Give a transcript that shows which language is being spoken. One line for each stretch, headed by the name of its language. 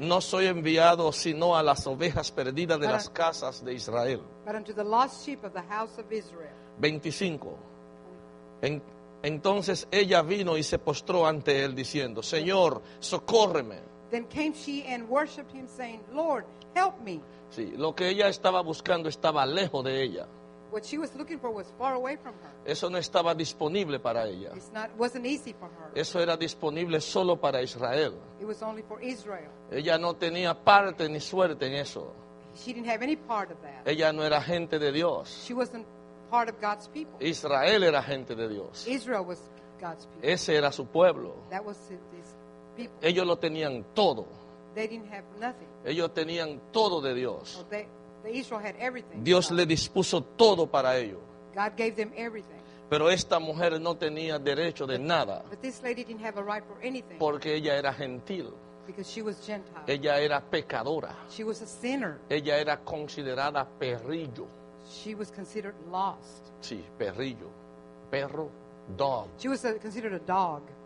Spanish: No soy enviado sino a las ovejas perdidas de las casas de Israel.
English: But unto the lost sheep of the house of Israel. 25.
Spanish: Entonces ella vino y se postró ante él diciendo, Señor, socórreme.
English: Then came she and worshipped him, saying, Lord, help me.
Spanish: Sí, lo que ella estaba buscando estaba lejos de ella.
English: What she was looking for was far away from her.
Spanish: Eso no estaba disponible para ella.
English: Wasn't easy for her.
Spanish: Eso era disponible solo para Israel.
English: It was only for Israel.
Spanish: Ella no tenía parte ni suerte en eso.
English: She didn't have any part of that.
Spanish: Ella no era gente de Dios.
English: She wasn't part of God's people.
Spanish: Israel era gente de Dios.
English: Israel was God's people.
Spanish: Ese era su pueblo.
English: That was his people.
Spanish: Ellos lo tenían todo.
English: They didn't have nothing.
Spanish: Ellos tenían todo de Dios.
English: Israel had everything.
Spanish: Dios le dispuso todo para ellos.
English: God gave them everything.
Spanish: Pero esta mujer no tenía derecho de nada.
English: But this lady didn't have a right for anything.
Spanish: Porque ella era gentil.
English: Because she was Gentile.
Spanish: Ella era pecadora.
English: She was a sinner.
Spanish: Ella era considerada perrillo.
English: She was considered lost.
Spanish: Sí, perrillo. Perro, dog.
English: She was considered a dog.